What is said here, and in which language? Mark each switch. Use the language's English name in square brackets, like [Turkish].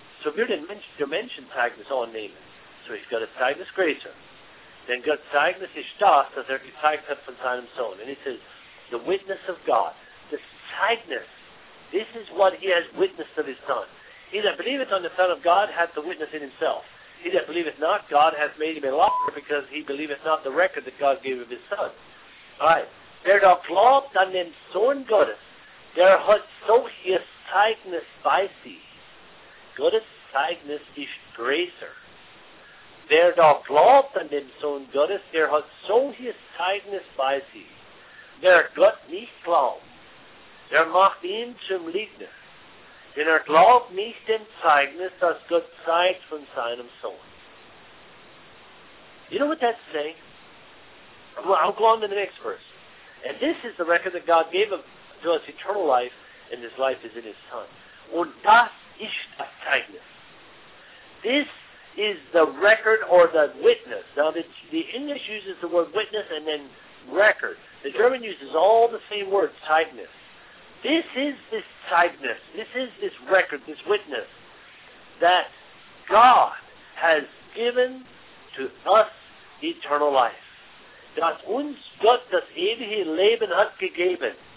[English] So if you didn't mention Zeugnis on name, so he's got a Zeugnis greater, then got [German] Zeugnis ist das, dass gezeigt hat von seinem Sohn. [English] And he says, the witness of God, the Zeugnis, this is what he has witnessed of his son. He that believeth on the Son of God hath the witness in himself. He that believeth not, God hath made him a liar, because he believeth not the record that God gave of his son. [German] Alright, der da glaubt an den Sohn Gottes, der hat solches Zeugnis bei sich. Gottes Zeugnis ist größer. Der da glaubt an den Sohn Gottes, der hat solches Zeugnis bei sich. Der Gott nicht glaubt, der macht ihn zum Lügner. Denn glaubt nicht dem Zeugnis, das Gott zeigt von seinem Sohn. [English] You know what that's saying? I'll go on to the next verse. And this is the record that God gave to us, eternal life, and his life is in his Son. [German] Und das ist das Zeugnis. [English] This is the record or the witness. Now, the English uses the word witness and then record. The German uses all the same words, Zeugnis. This is this Zeugnis. This is this record, this witness that God has given to us eternal life. [German] Dass uns Gott das ewige Leben hat gegeben.